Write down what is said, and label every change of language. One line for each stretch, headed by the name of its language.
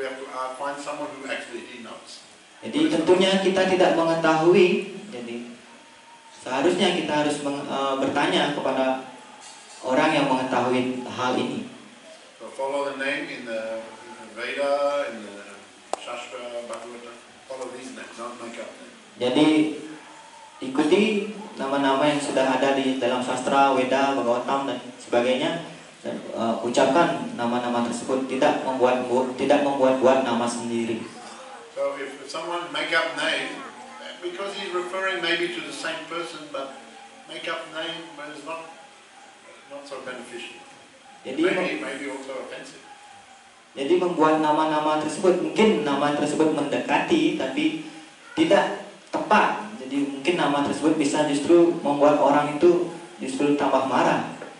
English: We have to find someone who actually he knows.
Indonesian: Jadi tentunya kita tidak mengetahui. Jadi seharusnya kita harus bertanya kepada orang yang mengetahui hal ini.
English: So follow the name in the Veda, in the Shastra, Bhagavata. Follow these names, not make up names.
Indonesian: Jadi ikuti nama-nama yang sudah ada di dalam sastra, Veda, Bhagavatam dan sebagainya. Dan ucapkan nama-nama tersebut, tidak membuat-buat nama sendiri.
English: So if someone make up name, because he's referring maybe to the same person, but make up name, but it's not so beneficial.
Indonesian: Jadi
English: maybe also offensive.
Indonesian: Jadi membuat nama-nama tersebut, mungkin nama tersebut mendekati, tapi tidak tepat. Jadi mungkin nama tersebut bisa justru membuat orang itu justru tambah marah.